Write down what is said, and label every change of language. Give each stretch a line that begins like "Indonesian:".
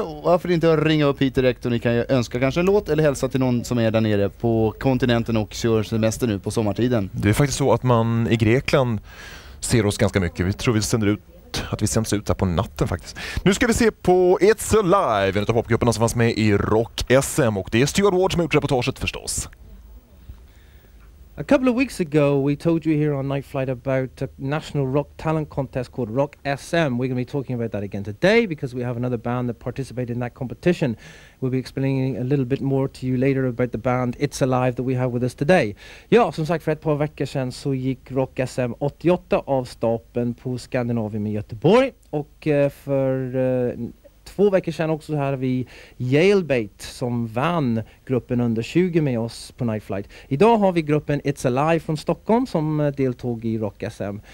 Swedish: Och varför inte ringa upp hit direkt och ni kan ju önska kanske en låt eller hälsa till någon som är där nere på kontinenten och kör semester nu på sommartiden. Det är faktiskt så att man i Grekland ser oss ganska mycket. Vi tror vi sänder ut, att vi sänds ut här på natten faktiskt. Nu ska vi se på It's Alive, en av popgrupperna som fanns med i Rock SM, och det är Stuart Ward som har gjort reportaget förstås.
English: A couple of weeks ago we told you here on Nightflight about a national rock talent contest called Rock SM. We're going to be talking about that again today because we have another band that participated in that competition. We'll be explaining a little bit more to you later about the band It's Alive that we have with us today.
Swedish: Ja, som sagt, för ett par veckor sedan så gick Rock SM 88 av stapeln på Skandinavien i Göteborg. Och för två veckor sedan också hade vi Yalebait som vann gruppen under 20 med oss på Nightflight. Idag har vi gruppen It's Alive från Stockholm som deltog i Rock SM.